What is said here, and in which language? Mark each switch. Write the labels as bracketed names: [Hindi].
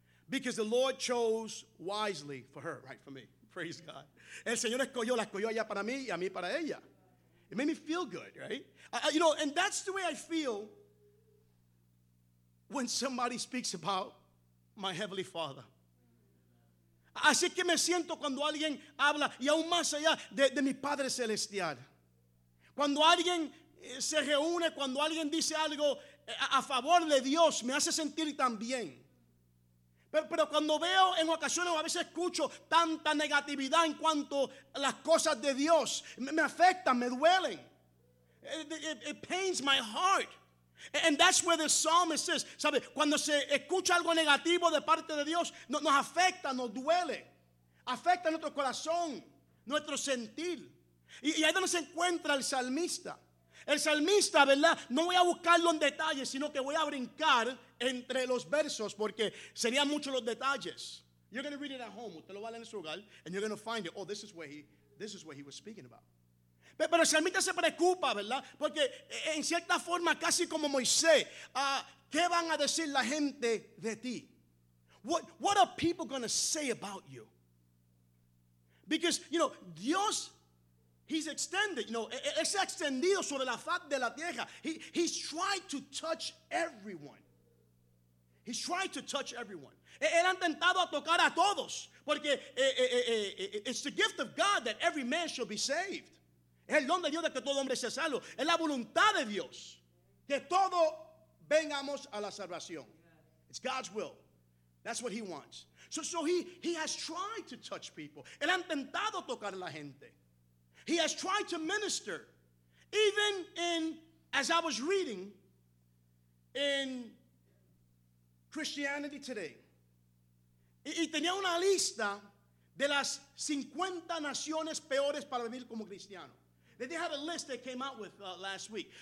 [English] Because the Lord chose wisely for her, right, for me. Praise God. [Spanish] El Señor escogió, la escogió allá para mí y a mí para ella. [English] It made me feel good, right? You know, and that's the way I feel when somebody speaks about my Heavenly Father. [Spanish] Así que me siento cuando alguien habla, y aún más allá de mi Padre Celestial. Cuando alguien se reúne, cuando alguien dice algo a favor de Dios, me hace sentir tan bien. Pero cuando veo en ocasiones o a veces escucho tanta negatividad en cuanto a las cosas de Dios, me afectan, me duelen. [English] It pains my heart. And that's where the psalmist says, ¿sabe? [Spanish] Cuando se escucha algo negativo de parte de Dios, nos afecta, nos duele. Afecta nuestro corazón, nuestro sentir. Y ahí es donde se encuentra el salmista. El salmista, ¿verdad? No voy a buscarlo en detalles, sino que voy a brincar entre los versos, porque serían muchos los detalles. [English] You're going to read it at home. [Spanish] Usted lo va a leer en su hogar, [English] and you're going to find it. Oh, this is what he was speaking about. [Spanish] Pero el salmista se preocupa, ¿verdad? Porque en cierta forma, casi como Moisés, ¿qué van a decir la gente de ti? [English] What are people going to say about you? Because, you know, [Spanish] Dios, [English] he's extended, you know, [Spanish] es extendido sobre la faz de la tierra. [English] He's tried to touch everyone. He's tried to touch everyone. [Spanish] Él ha intentado a tocar a todos, [English] porque it's the gift of God that every man should be saved. [Spanish] Es el don de Dios de que todo hombre sea salvo. Es la voluntad de Dios que todos vengamos a la salvación. [English] It's God's will. That's what he wants. So he has tried to touch people. [Spanish] Él ha intentado tocar a la gente. [English] He has tried to minister. Even in, as I was reading, in Christianity Today. [Spanish] Y tenía una lista de las 50 naciones peores para vivir como cristiano. [English] They did have a list they came out with last week.